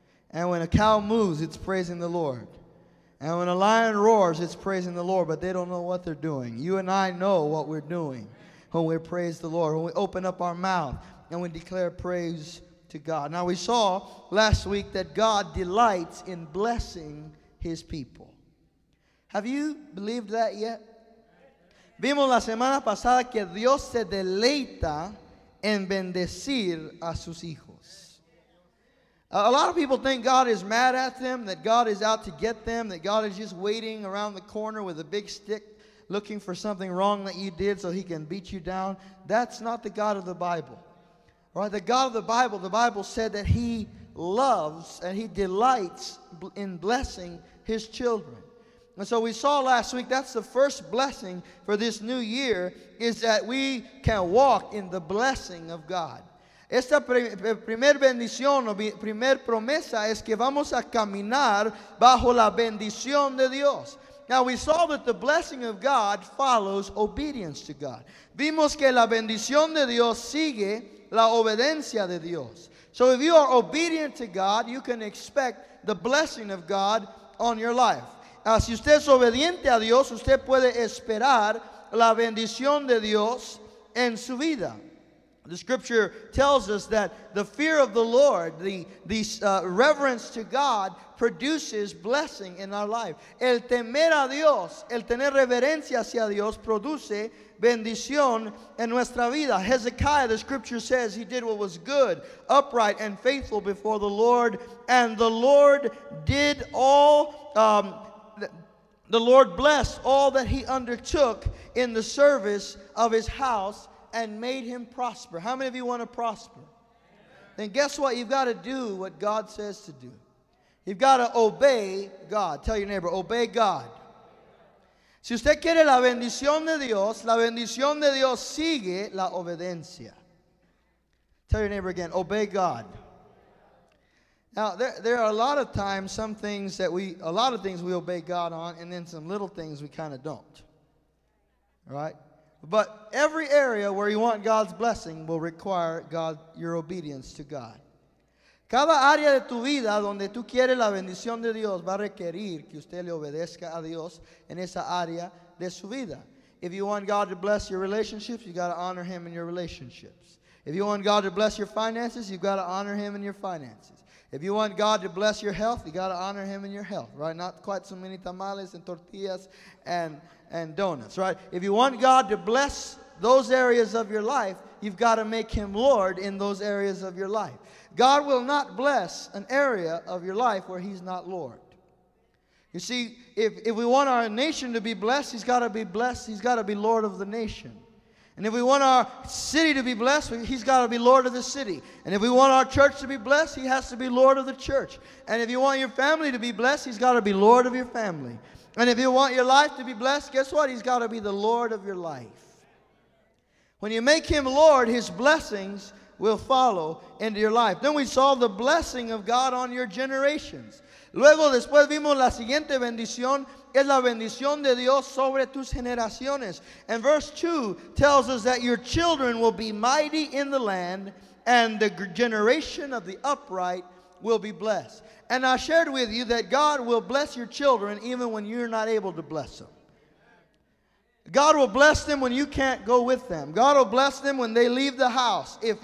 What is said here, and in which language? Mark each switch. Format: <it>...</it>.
<en>And when a cow moves, it's praising the Lord. And when a lion roars, it's praising the Lord, but they don't know what they're doing. You and I know what we're doing when we praise the Lord, when we open up our mouth and we declare praise to God. Now, we saw last week that God delights in blessing His people. Have you believed that yet?</en> <es>Vimos la semana pasada que Dios se deleita en bendecir a sus hijos.</es> <en>A lot of people think God is mad at them, that God is out to get them, that God is just waiting around the corner with a big stick looking for something wrong that you did so He can beat you down. That's not the God of the Bible. Right? The God of the Bible said that He loves and He delights in blessing His children. And so we saw last week, that's the first blessing for this new year, is that we can walk in the blessing of God.</en> <es>Esta primer bendición o primer promesa es que vamos a caminar bajo la bendición de Dios.</es> <en>Now we saw that the blessing of God follows obedience to God.</en> <es>Vimos que la bendición de Dios sigue la obediencia de Dios.</es> <en>So if you are obedient to God, you can expect the blessing of God on your life.</en> <es>Si usted es obediente a Dios, usted puede esperar la bendición de Dios en su vida.</es> <en>The scripture tells us that the fear of the Lord, the reverence to God, produces blessing in our life.</en> <es>El temer a Dios, el tener reverencia hacia Dios, produce bendición en nuestra vida.</es> <en>Hezekiah, the scripture says, he did what was good, upright, and faithful before the Lord. And the Lord did all, the Lord blessed all that he undertook in the service of his house and made him prosper. How many of you want to prosper? Then guess what? You've got to do what God says to do. You've got to obey God. Tell your neighbor, obey God.</en> <es>Si usted quiere la bendición de Dios sigue la obediencia.</es> <en>Tell your neighbor again, obey God. Now, there are a lot of times some things that we, a lot of things we obey God on, and then some little things we kind of don't. Right? But every area where you want God's blessing will require God, your obedience to God.</en> <es>Cada área de tu vida donde tú quieres la bendición de Dios va a requerir que usted le obedezca a Dios en esa área de su vida.</es> <en>If you want God to bless your relationships, you got to honor Him in your relationships. If you want God to bless your finances, you've got to honor Him in your finances. If you want God to bless your health, you got to honor Him in your health, right? Not quite so many tamales and tortillas and donuts, right? If you want God to bless those areas of your life, you've got to make Him Lord in those areas of your life. God will not bless an area of your life where He's not Lord. You see, if we want our nation to be blessed, He's got to be blessed. He's got to be Lord of the nation. And if we want our city to be blessed, He's got to be Lord of the city. And if we want our church to be blessed, He has to be Lord of the church. And if you want your family to be blessed, He's got to be Lord of your family. And if you want your life to be blessed, guess what? He's got to be the Lord of your life. When you make Him Lord, His blessings will follow into your life. Then we saw the blessing of God on your generations.</en> <es>Luego, después vimos la siguiente bendición, es la bendición de Dios sobre tus generaciones.</es> <en>And verse 2 tells us that your children will be mighty in the land, and the generation of the upright will be blessed. And I shared with you that God will bless your children even when you're not able to bless them. God will bless them when you can't go with them. God will bless them when they leave the house.</en>